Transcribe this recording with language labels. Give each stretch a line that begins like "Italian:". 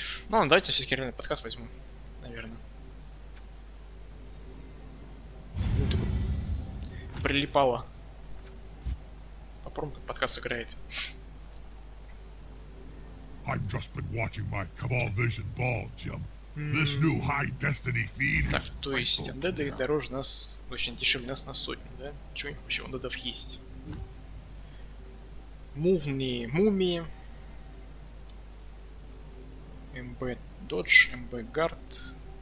Russian: Ну, давайте все-таки реально подкаст возьму. Наверное. Прилипало. Попробуем, как подкаст играет.
English: I've just been watching my Cabal Vision Ball, Jim. This new high destiny feed.
Russian: Так, то есть андеды дороже нас, очень дешевле нас на сотню, да? Чего вообще андедов есть? Мумии. МБ Додж, МБ Гард.